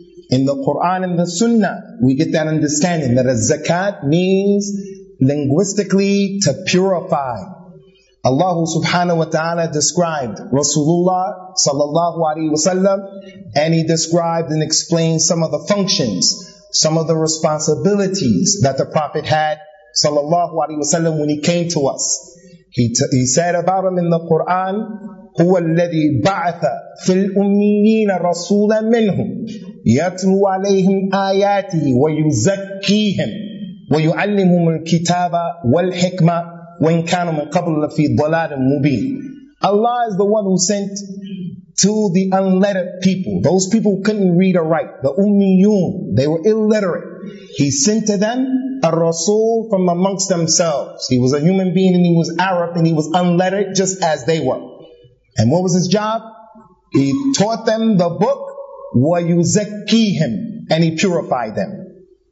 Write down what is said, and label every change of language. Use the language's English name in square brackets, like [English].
[English] In the Quran and the Sunnah, we get that understanding that a zakat means linguistically to purify. Allah subhanahu wa ta'ala described Rasulullah sallallahu alayhi wa sallam, and he described and explained some of the functions, some of the responsibilities that the Prophet had sallallahu alayhi wa sallam when he came to us. He said about him in the Quran, [Arabic] هُوَ الَّذِي بَعَثَ فِي الْأُمِّيِّينَ رَسُولًا مِّنْهُمْ يَتْلُوا عَلَيْهِمْ آيَاتِهِ وَيُزَكِّيهِمْ وَيُعَلِّمُهُمُ الْكِتَابَ وَالْحِكْمَةِ وَإِنْ كَانُوا مِنْ قَبْلُ لَفِي ضَلَالٍ مُبِينٍ [English] Allah is the one who sent to the unlettered people. Those people who couldn't read or write. The Ummiyun. They were illiterate. He sent to them a Rasul from amongst themselves. He was a human being and he was Arab and he was unlettered just as they were. And what was his job? He taught them the book وَيُزَكِّيهِمْ And he purified them.